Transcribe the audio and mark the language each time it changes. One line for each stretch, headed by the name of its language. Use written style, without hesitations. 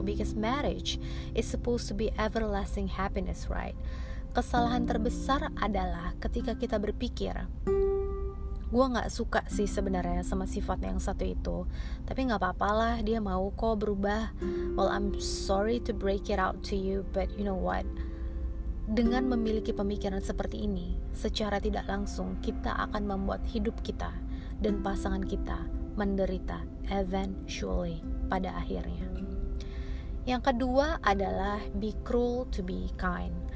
English: Because marriage is supposed to be everlasting happiness, right?
Indonesian: Kesalahan terbesar adalah ketika kita berpikir, gue gak suka sih sebenarnya sama sifatnya yang satu itu, tapi gak apa-apalah, dia mau kok berubah.
English: Well, I'm sorry to break it out to you, but you know what?
Indonesian: Dengan memiliki pemikiran seperti ini, secara tidak langsung kita akan membuat hidup kita dan pasangan kita menderita eventually pada akhirnya. Yang kedua adalah
English: be cruel to be kind.